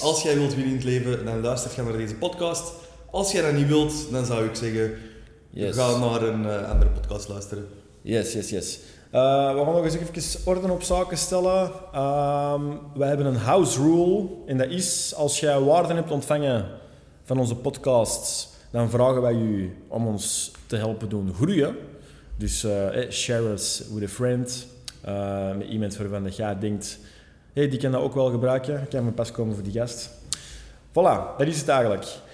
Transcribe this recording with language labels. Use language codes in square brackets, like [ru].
[nl] Als jij wilt winnen in het leven, dan luister je naar deze podcast. Als jij dat niet wilt, dan zou ik zeggen, ga naar een andere podcast luisteren. Yes. We gaan nog eens even orde op zaken stellen. We hebben een house rule en dat is, als jij waarden hebt ontvangen van onze podcast, dan vragen wij u om ons te helpen doen groeien. [en] Dus share us with a friend. [nl] Met iemand waarvan jij denkt, hey, die kan dat ook wel gebruiken. Kan me pas komen voor die gast. Voilà, dat is het eigenlijk.